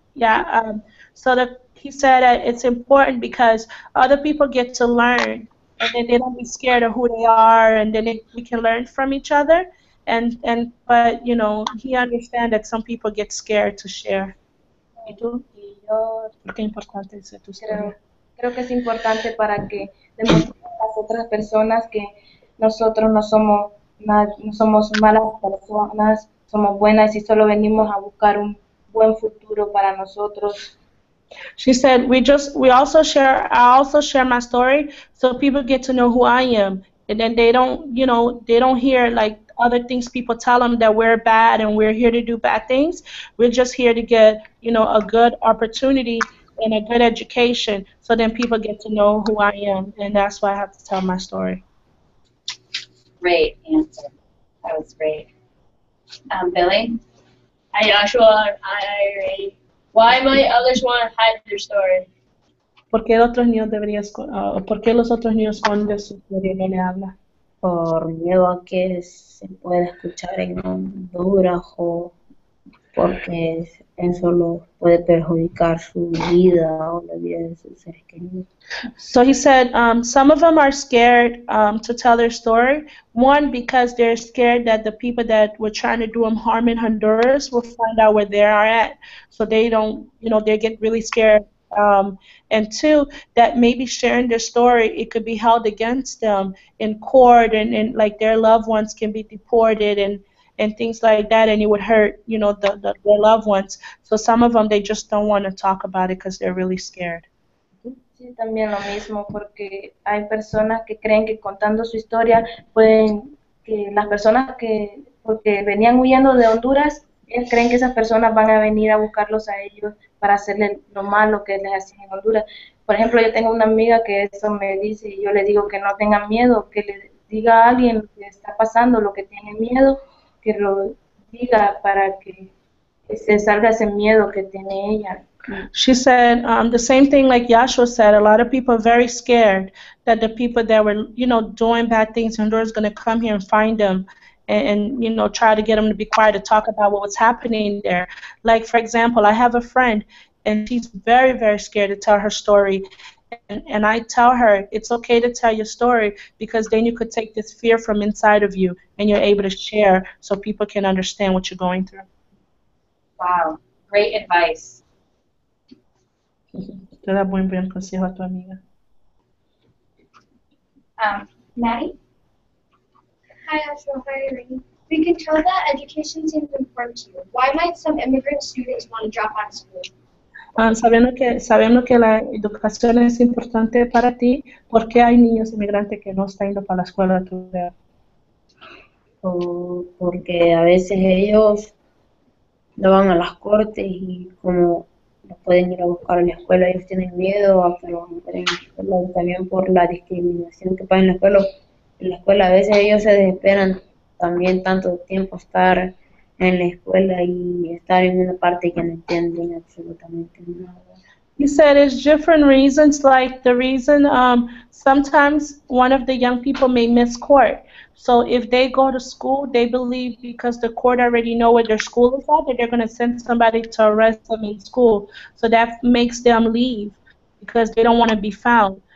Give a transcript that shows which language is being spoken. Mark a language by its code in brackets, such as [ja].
[en] Yeah, he said that it's important because other people get to learn, and then they don't be scared of who they are, and then we can learn from each other. and but you know, he understands that some people get scared to share. [es] ¿Y tú? ¿Y yo? ¿Qué importante es tu historia? Creo que es importante para que demostremos a las otras personas que nosotros no somos no somos malas personas, somos buenas y solo venimos a buscar un buen futuro para nosotros. [en] She said, I also share my story so people get to know who I am. And then they don't, you know, they don't hear like other things people tell them that we're bad and we're here to do bad things. We're just here to get, you know, a good opportunity and a good education so then people get to know who I am. And that's why I have to tell my story. Great answer. That was great. Billy? Hi, Yashua. Hi, Ray. Why might others want to hide their story? [es] ¿Por qué otros niños deberían por qué los otros niños esconden su historia y no le habla? Por miedo a que se pueda escuchar en Honduras o porque eso lo puede perjudicar su vida o la vida de sus seres queridos. [en] So he said, some of them are scared to tell their story. One, because they're scared that the people that were trying to do them harm in Honduras will find out where they are at. So they don't, you know, they get really scared. And two, that maybe sharing their story, it could be held against them in court and like their loved ones can be deported and things like that, and it would hurt, you know, their loved ones. So some of them, they just don't want to talk about it because they're really scared. [es] Sí, también lo mismo, porque hay personas que creen que contando su historia pueden, que las personas que, porque venían huyendo de Honduras, ellos creen que esas personas van a venir a buscarlos a ellos para hacerle lo malo que les hacían en Honduras. Por ejemplo, yo tengo una amiga que eso me dice y yo le digo que no tengan miedo, que le diga a alguien lo que está pasando, lo que tiene miedo, que lo diga para que se salga ese miedo que tiene ella. [en] She said, the same thing like Yashua said, a lot of people are very scared that the people that were, you know, doing bad things in Honduras are going to come here and find them. And you know, try to get them to be quiet to talk about what was happening there. Like, for example, I have a friend, and she's very, very scared to tell her story. And I tell her, it's okay to tell your story, because then you could take this fear from inside of you, and you're able to share so people can understand what you're going through. Wow, great advice. [es] Te da buen consejo a tu amiga. [en] Maddie? Hi, Ashwell. Hi, Irene. We can tell that education seems important to you. Why might some immigrant students want to drop out of school? [es] Sabiendo que la educación es importante para ti, ¿por qué hay niños inmigrantes que no están yendo para la escuela a estudiar? Porque a veces ellos no van a las cortes y como no pueden ir a buscar a la escuela, ellos tienen miedo a que lo entren a la escuela y también por la discriminación que pasa en la escuela. En la escuela a veces ellos se desesperan también tanto tiempo estar en la escuela y estar en una parte que no entienden absolutamente nada. [en] You said it's different reasons, like the reason sometimes one of the young people may miss court. So if they go to school, they believe because the court already know where their school is at that they're going to send somebody to arrest them in school. So that makes them leave because they don't want to be found.